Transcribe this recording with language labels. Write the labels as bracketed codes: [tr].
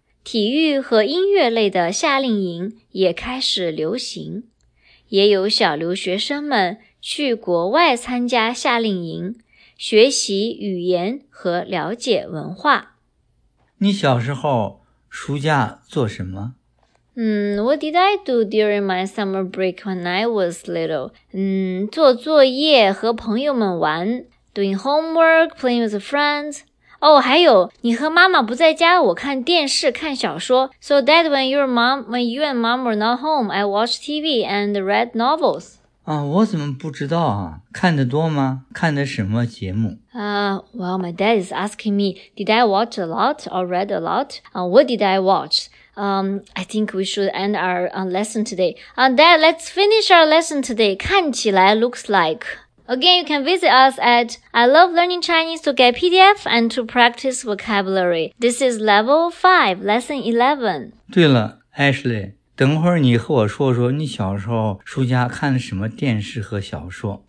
[zh] 体育和音乐类的夏令营也开始流行，也有小留学生们去国外参加夏令营，学习语言和了解文化。你小时候暑假做什么？ [en] What did I do during my summer break when I was little? [zh] 做作业和朋友们玩。 [en] Doing homework, playing with friends. [zh] Oh, 还有你和妈妈不在家，我看电视看小说。 [en] So that when you and mom were not home, I watched TV and read novels. [zh] 啊，我怎么不知道啊？看得多吗？看的什么节目？ [en] Well, my dad is asking me, did I watch a lot or read a lot? What did I watch? I think we should end our lesson today. Dad, let's finish our lesson today. [zh] 看起来 [en] looks like. Again, you can visit us at I Love Learning Chinese to get PDF and to practice vocabulary. This is level 5, lesson 11. [zh] 对了 ,Ashley, 等会儿你和我说说你小时候暑假看了什么电视和小说。